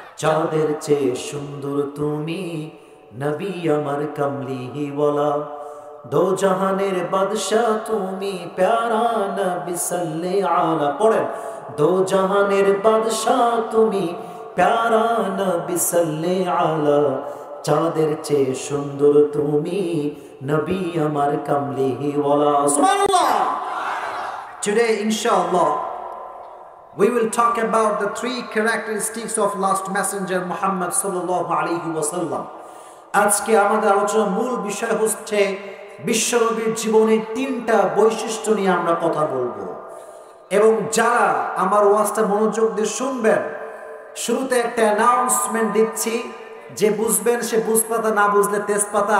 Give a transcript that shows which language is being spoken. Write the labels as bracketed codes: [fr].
[bn] চাঁদের চেয়ে সুন্দর তুমি নবী আমার কমলিহি বলা, দো জাহানের বাদশাহ তুমি প্যারা নবী সাল্লি আলা, পড়েন, দো জাহানের বাদশাহ তুমি প্যারা নবী সাল্লি আলা, চাঁদের চেয়ে সুন্দর তুমি নবী আমার কমলিহি বলা। সুবহানাল্লাহ। [en] Today, inshallah, we will talk about the three characteristics of last messenger Muhammad sallallahu alaihi wasallam. [bn] আজকে আমাদের আলোচনার মূল বিষয় হচ্ছে বিশ্বনবীর জীবনের তিনটা বৈশিষ্ট্য নিয়ে আমরা কথা বলবো, এবং যারা আমার ওয়াজটা মনোযোগ দিয়ে শুনবেন, শুরুতে একটা অ্যানাউন্সমেন্ট দিচ্ছি, যে বুঝবেন সে বুঝপাতা, না বুঝলে তেজপাতা।